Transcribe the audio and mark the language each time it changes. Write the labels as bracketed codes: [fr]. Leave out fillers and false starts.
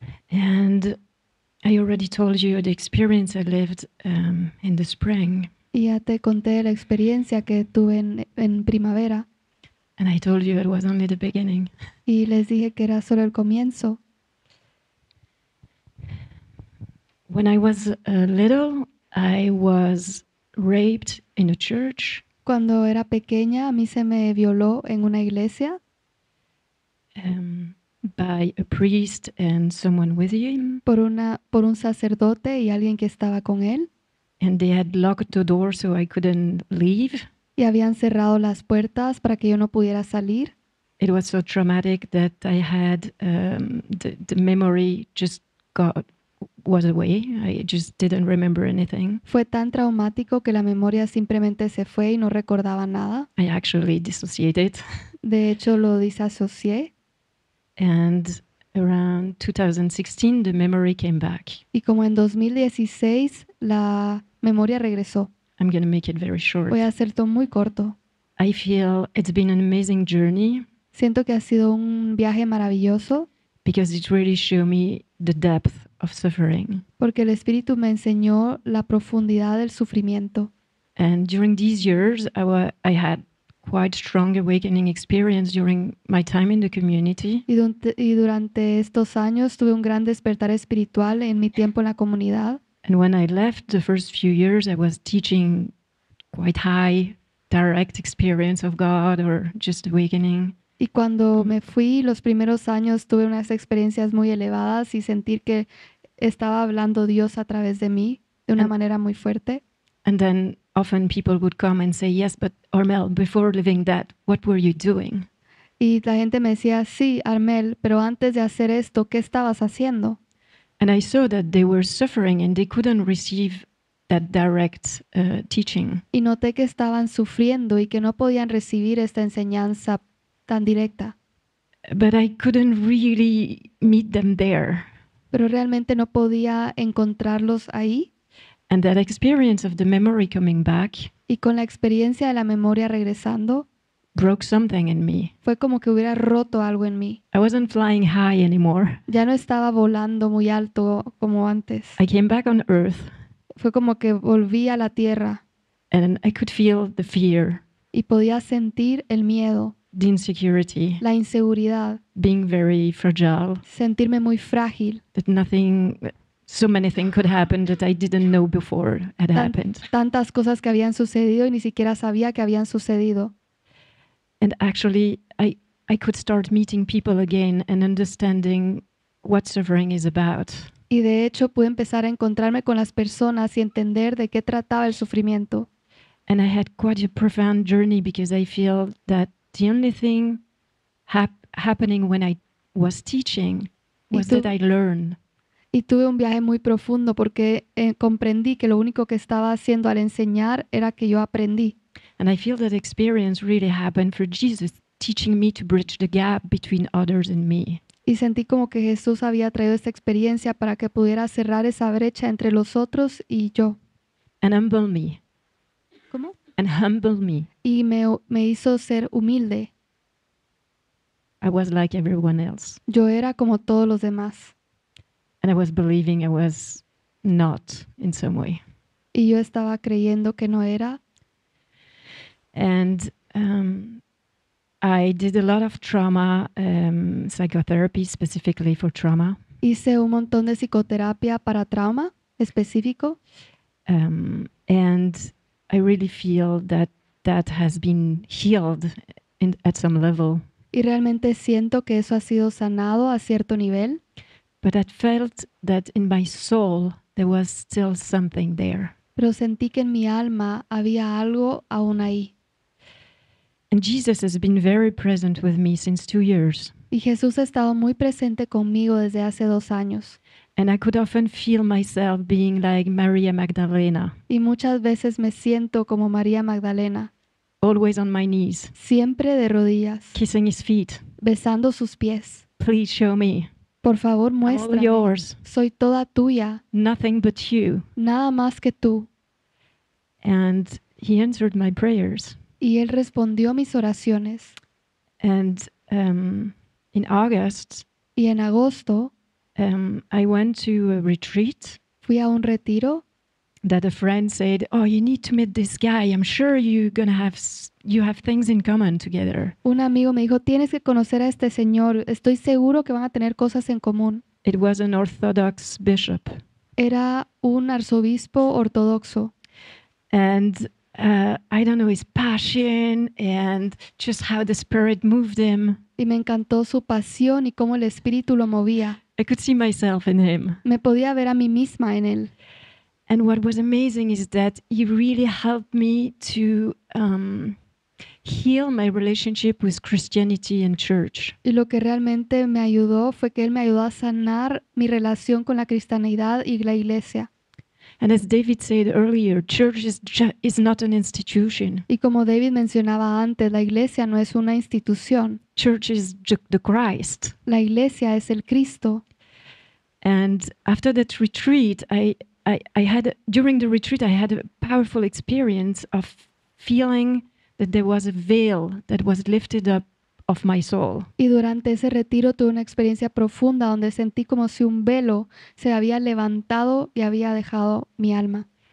[en] And I already told you the experience I lived in the spring. [es] Y ya te conté la experiencia que tuve en primavera. [en] And I told you it was only the beginning. [es] Y les dije que era solo el comienzo. [en] When I was little, I was raped in a church. [es] Cuando era pequeña, a mí se me violó en una iglesia. [en] By a priest and someone with him. [es] Por un sacerdote y alguien que estaba con él. [en] And they had locked the door so I couldn't leave. [es] Y habían cerrado las puertas para que yo no pudiera salir. [en] It was so traumatic that I had the memory just was away. I just didn't remember anything. [es] Fue tan traumático que la memoria simplemente se fue y no recordaba nada. [en] I actually dissociated. [es] De hecho, lo disasocié. [en] And around 2016, the memory came back. [es] Y como en 2016, la memoria regresó. [en] I'm going to make it very short. [es] Voy a hacerlo muy corto. [en] I feel it's been an amazing journey. [es] Siento que ha sido un viaje maravilloso. [en] because it really showed me the depth of suffering. [es] Porque el espíritu me enseñó la profundidad del sufrimiento. [en] And during these years, I had quite strong awakening experience during my time in the community. [es] Y durante estos años tuve un gran despertar espiritual en mi tiempo en la comunidad. [en] And when I left the first few years, I was teaching quite high direct experience of God or just awakening. [es] Y cuando me fui, los primeros años tuve unas experiencias muy elevadas y sentir que estaba hablando Dios a través de mí de una manera muy fuerte. [en] And then often people would come and say, yes, but Armel, before living that, what were you doing? [es] Y la gente me decía, sí, Armel, pero antes de hacer esto, ¿qué estabas haciendo? [en] And I saw that they were suffering and they couldn't receive that direct teaching. [es] Y noté que estaban sufriendo y que no podían recibir esta enseñanza tan directa. [en] But I couldn't really meet them there. [es] Pero realmente no podía encontrarlos ahí. [en] And that experience of the memory coming back. [es] Y con la experiencia de la memoria regresando. [en] Broke something in me. [es] Fue como que hubiera roto algo en mí. [en] I wasn't flying high anymore. [es] Ya no estaba volando muy alto como antes. [en] I came back on earth. [es] Fue como que volví a la tierra. [en] And I could feel the fear. [es] Y podía sentir el miedo. [en] The insecurity. [es] La inseguridad. [en] Being very fragile. [es] Sentirme muy frágil. [en] That nothing, so many things could happen that I didn't know before had happened. [es] Tantas cosas que habían sucedido y ni siquiera sabía que habían sucedido. [en] And actually, I could start meeting people again and understanding what suffering is about. [es] Y de hecho, pude empezar a encontrarme con las personas y entender de qué trataba el sufrimiento. [en] And I had quite a profound journey because I feel that the only thing happening when I was teaching was that I learned. [es] Y tuve un viaje muy profundo porque comprendí que lo único que estaba haciendo al enseñar era que yo aprendí. [en] And I feel that experience really happened for Jesus teaching me to bridge the gap between others and me. [es] Y sentí como que Jesús había traído esta experiencia para que pudiera cerrar esa brecha entre los otros y yo. [en] And humble me. [es] ¿Cómo? [en] And humble me. [es] Y me hizo ser humilde. [en] I was like everyone else. [es] Yo era como todos los demás. [en] And I was believing I was not in some way. [es] Y yo estaba creyendo que no era. [en] And I did a lot of trauma, psychotherapy specifically for trauma. [es] Hice un montón de psicoterapia para trauma específico. [en] And I really feel that that has been healed at some level. [es] Y realmente siento que eso ha sido sanado a cierto nivel. [en] But I felt that in my soul there was still something there. [es] Pero sentí que en mi alma había algo aún ahí. [en] And Jesus has been very present with me since 2 years. [es] Y Jesús ha estado muy presente conmigo desde hace 2 años. [en] And I could often feel myself being like Maria Magdalena. [es] Y muchas veces me siento como María Magdalena. [en] Always on my knees. [es] Siempre de rodillas. [en] Kissing his feet. [es] Besando sus pies. [en] Please show me. [es] Por favor, muéstrame. [en] All yours. [es] Soy toda tuya. [en] Nothing but you. [es] Nada más que tú. [en] And he answered my prayers. [es] Y él respondió mis oraciones. [en] And in August, [es] y en agosto, [en] I went to a retreat. [es] Fui a un retiro. [en] That a friend said, "Oh, you need to meet this guy. I'm sure you're gonna have things in common together." [es] Un amigo me dijo, "Tienes que conocer a este señor. Estoy seguro que van a tener cosas en común." [en] It was an Orthodox bishop. [es] Era un arzobispo ortodoxo. [en] And I don't know his passion and just how the spirit moved him. [es] Y me encantó su pasión y cómo el espíritu lo movía. [en] I could see myself in him. [es] Me podía ver a mí misma en él. [en] And what was amazing is that he really helped me to heal my relationship with Christianity and church. [es] Y lo que realmente me ayudó fue que él me ayudó a sanar mi relación con la cristianidad y la iglesia. [en] And as David said earlier, church is not an institution. [es] Y como David mencionaba antes, la iglesia no es una institución. [en] Church is the Christ. [es] La iglesia es el Cristo. [en] And after that retreat, I had a powerful experience of feeling that there was a veil that was lifted up of my soul. [es] Y durante ese retiro tuve una experiencia profunda donde sentí como si un velo se había levantado y había dejado mi alma.